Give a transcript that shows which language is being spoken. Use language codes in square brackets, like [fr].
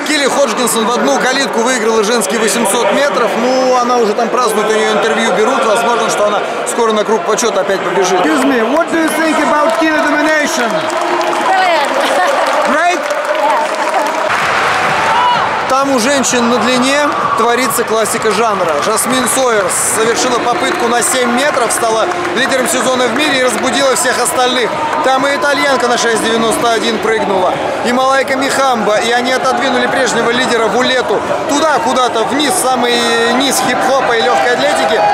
[ru] Ходжкинсон в одну калитку выиграла женский 800 метров. Ну, она уже там празднует, у нее интервью берут. Возможно, что она скоро на круг почета опять побежит. [en] Excuse me, what do you think about Kira Domination? Brilliant. Great? [ru] Там у женщин на длине творится классика жанра. Жасмин Сойерс совершила попытку на 7 метров, стала лидером сезона в мире и разбудила всех остальных. Там и итальянка на 6.91 прыгнула, и Малайка Михамба, и они отодвинули прежнего лидера Вулету туда, куда-то вниз, самый низ хип-хопа и легкой атлетики.